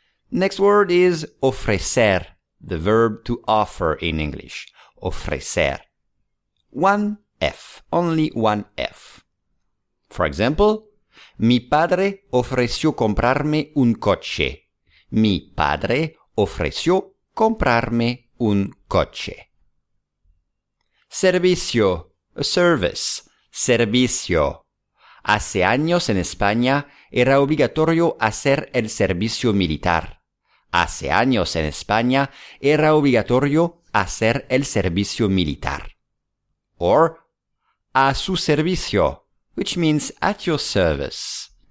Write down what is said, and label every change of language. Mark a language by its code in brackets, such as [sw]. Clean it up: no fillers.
[en] Next word is ofrecer, the verb to offer in English. Ofrecer. One F, only one F. For example, [es] mi padre ofreció comprarme un coche. Mi padre ofreció comprarme un coche. [en] Servicio, a service. Servicio. [es] Hace años en España era obligatorio hacer el servicio militar. Hace años en España era obligatorio hacer el servicio militar. [en] Or, [es] a su servicio, [en] which means at your service.